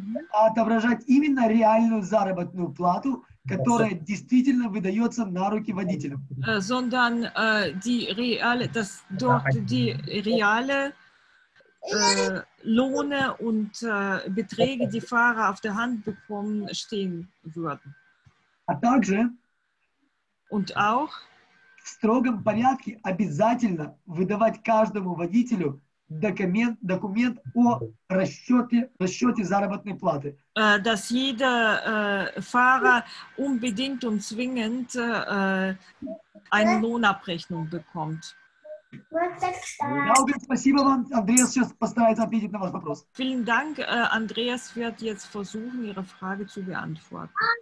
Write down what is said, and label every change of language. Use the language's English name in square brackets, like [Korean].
[Russian] отображать именно реальную заработную плату, которая действительно выдается на руки водителям. [German] Sondern die reale, dass dort die reale Lohne und Beträge, die Fahrer auf der Hand bekommen, stehen würden. Und auch [Russian] в строгом порядке обязательно выдавать каждому водителю документ о расчете заработной платы. [German] Dass jeder Fahrer unbedingt und zwingend eine Lohnabrechnung bekommt. Vielen Dank, Andreas wird jetzt versuchen, Ihre Frage zu beantworten.